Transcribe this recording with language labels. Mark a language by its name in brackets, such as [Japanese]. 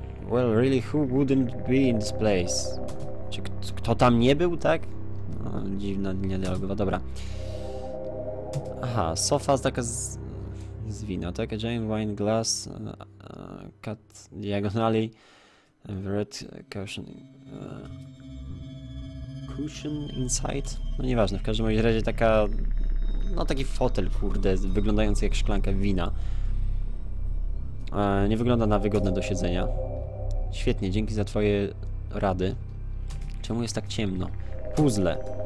[English] Well, really, who wouldn't be in this place? [Polish] Czy kto tam nie był, tak? No, dziwna linia dialogowa, dobra. Aha, sofa z taka z wino, tak? [English] A giant wine glass, cut diagonally, red cushion... cushion inside? [Polish] No nieważne, w każdym razie taka... No taki fotel, kurde, wyglądający jak szklanka wina. Nie wygląda na wygodne do siedzenia. Świetnie, dzięki za twoje rady. Czemu jest tak ciemno? Puzzle.